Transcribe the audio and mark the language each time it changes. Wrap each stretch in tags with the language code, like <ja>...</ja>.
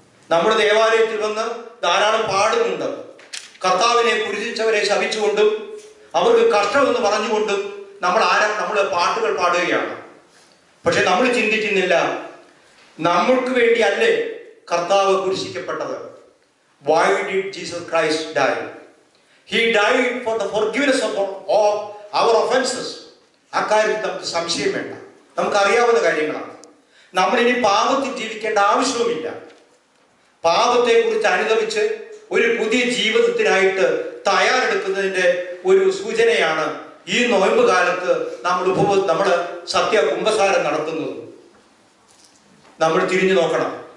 <ml>നമ്മുടെ ദേവാലയത്തിൽ വന്ന് ധാരാളം പാടുന്നുണ്ട്. കർത്താവിനെ കുരിശിച്ചവരെ ശപിച്ചുകൊണ്ടും അവർക്ക് കഷ്ടമെന്ന് പറഞ്ഞുകൊണ്ടും നമ്മൾ പാട്ടുകൾ പാടുകയാണ്. പക്ഷെ നമ്മൾ ചിന്തിക്കുന്നില്ല, നമ്മൾക്ക് വേണ്ടിയല്ലേ കർത്താവ് കുരിശിക്കപ്പെട്ടത്.</ml> <en>Why did Jesus Christ die? He died for the forgiveness of our offenses.</en> <ml>അക്കാര്യത്തിൽ നമുക്ക് സംശയം വേണ്ട. നമുക്കറിയാവുന്ന കാര്യങ്ങളാണ്. നമ്മൾ ഇനി പാപത്തിൽ ജീവിക്കേണ്ട ആവശ്യവുമില്ല. പാപത്തെക്കുറിച്ച് അനുഗമിച്ച് ഒരു പുതിയ ജീവിതത്തിനായിട്ട് തയ്യാറെടുക്കുന്നതിൻ്റെ ഒരു സൂചനയാണ് ഈ നോയമ്പ് കാലത്ത് നമ്മൾ സത്യ കുംഭസാരം നടത്തുന്നത്. നമ്മൾ തിരിഞ്ഞു നോക്കണം.</ml>